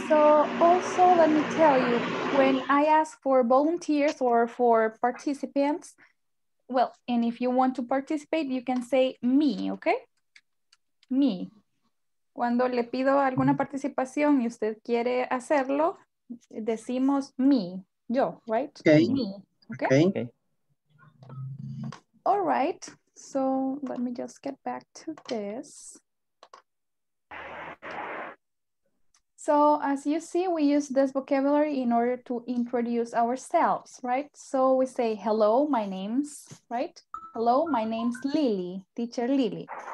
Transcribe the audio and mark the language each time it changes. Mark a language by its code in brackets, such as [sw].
[en] So also let me tell you, when I ask for volunteers or for participants, well, and if you want to participate, you can say me, okay? Me. [es] Cuando le pido alguna participación y usted quiere hacerlo, decimos me, yo, right? [en] Okay. Me, okay? Okay. All right, so let me just get back to this. So as you see, we use this vocabulary in order to introduce ourselves, right? So we say, hello, my name's, right? Hello, my name's Lily, teacher Lily.